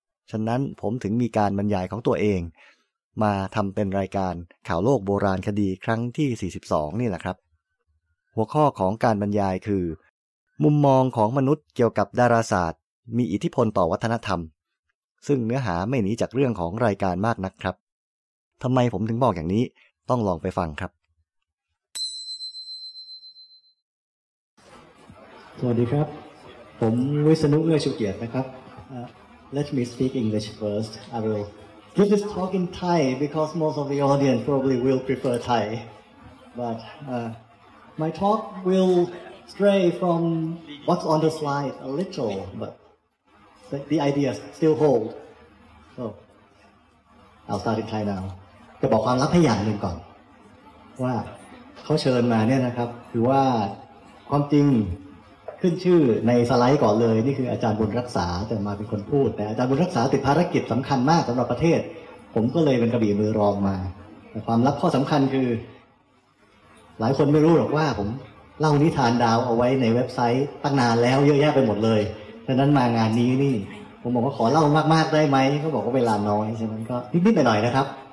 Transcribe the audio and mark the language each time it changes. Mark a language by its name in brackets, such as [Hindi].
[Thai] ฉะนั้นผมถึงมีการบรรยายของตัวเองมาทำเป็นรายการข่าวโลกโบราณคดีครั้งที่42นี่แหละครับหัวข้อของการบรรยายคือมุมมองของมนุษย์เกี่ยวกับดาราศาสตร์มีอิทธิพลต่อวัฒนธรรมซึ่งเนื้อหาไม่หนีจากเรื่องของรายการมากนักครับทำไมผมถึงบอกอย่างนี้ต้องลองไปฟังครับ สวัสดีครับผมวิษณุเอื้อชูเกียรตินะครับ [English] Let me speak English first. I will give this talk in Thai because most of the audience probably will prefer Thai. But my talk will stray from what's on the slide a little, butThe ideas still hold. So, I'll start in Thai now. [Thai] จะบอกความลับให้อย่างหนึ่งก่อนว่าเขาเชิญมาเนี่ยนะครับคือว่าความจริงขึ้นชื่อในสไลด์ก่อนเลยนี่คืออาจารย์บุญรักษาแต่มาเป็นคนพูดแต่อาจารย์บุญรักษาติดภารกิจสำคัญมากสำหรับประเทศผมก็เลยเป็นกระบี่มือรองมาแต่ความลับข้อสำคัญคือหลายคนไม่รู้หรอกว่าผมเล่านิทานดาวเอาไว้ในเว็บไซต์ตั้งนานแล้วเยอะแยะไปหมดเลยดังนั้นมางานนี้นี่ผมบอกว่าขอเล่ามากๆได้ไหมเขาบอกว่าเวลาน้อยฉะนั้นก็นิดๆไปหน่อยนะครับ